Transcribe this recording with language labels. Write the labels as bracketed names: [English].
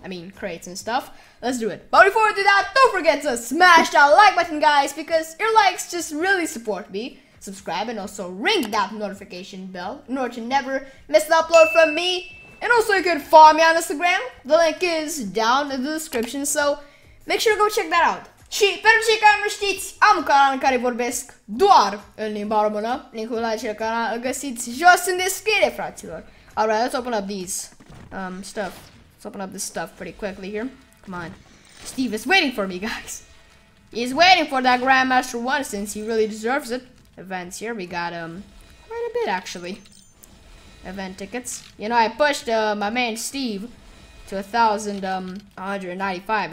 [English] I mean, crates and stuff. Let's do it. But before we do that, don't forget to smash that like button, guys, because your likes just really support me. Subscribe and also ring that notification bell in order to never miss an upload from me. And also you can follow me on Instagram. The link is down in the description, so make sure to go check that out. [Romanian] Și pentru cei care nu știți, am un canal în care vorbesc doar în limba română. Linkul la acel canal îl găsiți jos în descriere, fraților. [English] Alright, let's open up these stuff. Let's open up this stuff pretty quickly here. Come on. Steve is waiting for me, guys. He's waiting for that Grandmaster 1 since he really deserves it. Events here, we got quite a bit actually. Event tickets, you know, I pushed my man Steve to 1,195.